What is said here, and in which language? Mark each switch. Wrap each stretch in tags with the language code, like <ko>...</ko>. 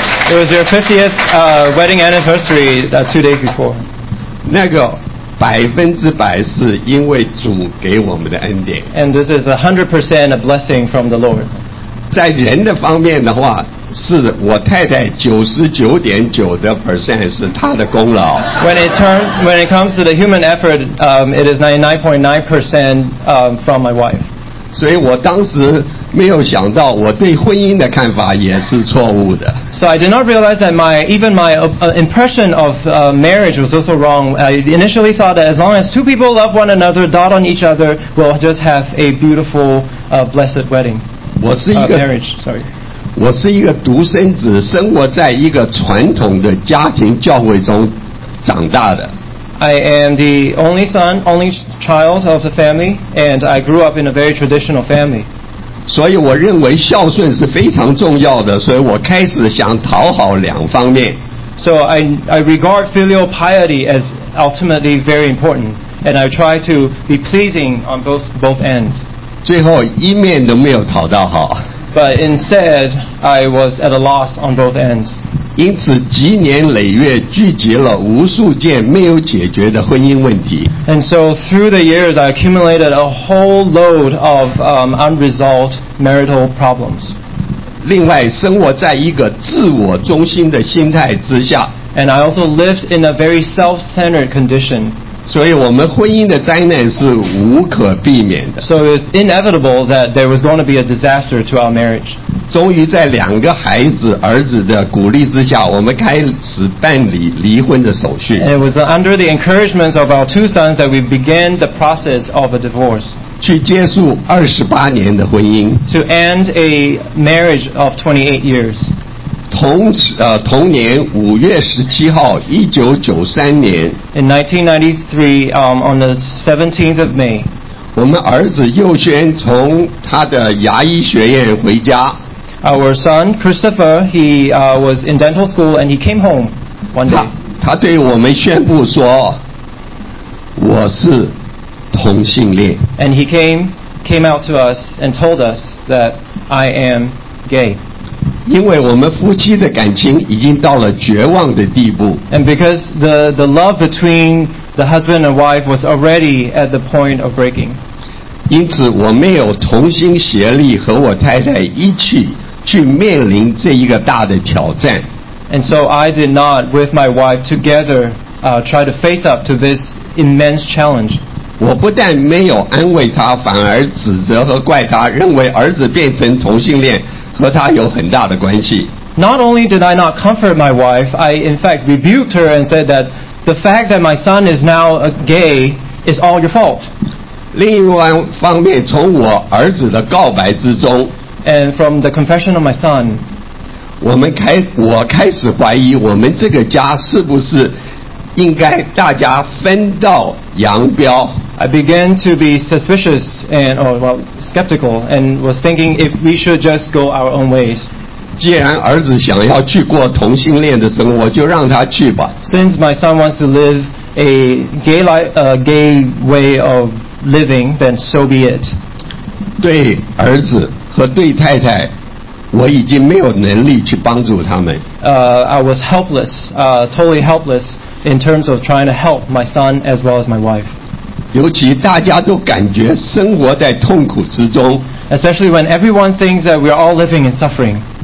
<en>It was their 50th wedding anniversary 2 days before</en> <zh>那个百分之百是因为主给我们的恩典</zh> <en>And this is 100% a blessing from the Lord</en> <zh>在人的方面的话是我太太 99.9% 是她的功劳</zh> <en>When it comes to the human effort it is 99.9% from my wife</en> <zh>所以我当时没有想到我对婚姻的看法也是错误的</zh> <en>So I did not realize that even my impression of marriage was also wrong I initially thought that as long as two people love one another dot on each other we'll just have a beautiful blessed wedding</en> <zh>我是一个</zh> <en>marriage, sorry</en> <zh>我是一个独生子生活在一个传统的家庭教会中长大的</zh> <en>I am the only son, only child of the family and I grew up in a very traditional family</en> <zh>所以我认为孝顺是非常重要的所以我开始想讨好两方面</zh> <en>So I regard filial piety as ultimately very important and I try to be pleasing on both ends</en> <zh>最后一面都没有讨到好</zh> <en>But instead I was at a loss on both ends</en> <zh>因此积年累月聚集了无数件没有解决的婚姻问题</zh> <en>And so through the years I accumulated a whole load of unresolved marital problems</en> <zh>另外生活在一个自我中心的心态之下</zh> <en>And I also lived in a very self-centered condition</en> <zh>所以我们婚姻的灾难是无可避免的</zh> <en>So it's inevitable that there was going to be a disaster to our marriage</en> <zh>终于在两个孩子儿子的鼓励之下我们开始办理离婚的手续</zh> <en>And it was under the encouragement of our two sons that we began the process of a divorce</en> <zh>去结束28年的婚姻</zh> <en>To end a marriage of 28 years</en> <zh>同年5月17号1993年</zh> <en>In 1993 on the 17th of May</en> <zh>我们儿子佑轩从他的牙医学院回家</zh> <en>Our son, Christopher, he was in dental school and he came home one day.</en> <zh>他对我们宣布说我是同性恋</zh> <en>And he came out to us and told us that I am gay.</en> <zh>因为我们夫妻的感情已经到了绝望的地步</zh> <en>And because the love between the husband and wife was already at the point of breaking.</en> <zh>因此我没有同心协力和我太太一起去面临这一个大的挑战</zh> <en>And so I did not with my wife together try to face up to this immense challenge</en> <zh>我不但没有安慰他反而指责和怪他认为儿子变成同性恋和他有很大的关系</zh> <en>Not only did I not comfort my wife I in fact rebuked her and said that the fact that my son is now gay is all your fault</en> <zh>另一方面从我儿子的告白之中</zh> <en>And from the confession of my son,</en> <zh>我开始怀疑我们这个家是不是应该大家分道扬镳。</zh> <en>I began to be suspicious and, skeptical, and was thinking if we should just go our own ways.</en> <zh>既然儿子想要去过同性恋的生活，就让他去吧。</zh> <en>Since my son wants to live a gay life, gay way of living, then so be it.</en> <zh>对儿子。和对太太我已经没有能力去帮助他们。</zh> <en>I was helpless, totally helpless in terms of trying to help my son as well as my wife.</en> <zh>尤其大家都感觉生活在痛苦之中。</zh> <en>Especially when everyone thinks that we are all living in suffering.</en>